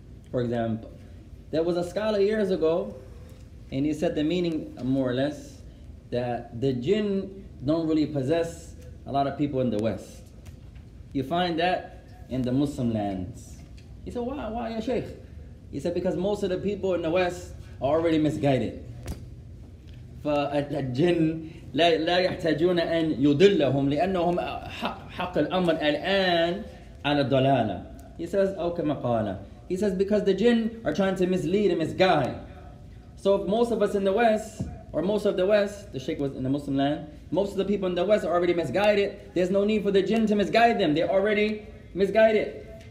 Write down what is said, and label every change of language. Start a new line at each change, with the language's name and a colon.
English: For example, there was a scholar years ago, and he said the meaning, more or less, that the jinn don't really possess a lot of people in the West. You find that in the Muslim lands. He said, why, Ya Sheikh? He said, because most of the people in the West are already misguided.
Arabic: فالجن لا يحتاجون أن يدلهم لأنهم حق الأمر الآن على الضلالة.
English: He says,
Arabic: أو كما قال.
English: He says, because the jinn are trying to mislead and misguide. So if most of us in the West, or most of the West, the Sheikh was in the Muslim land, most of the people in the West are already misguided, there's no need for the jinn to misguide them. They're already misguided.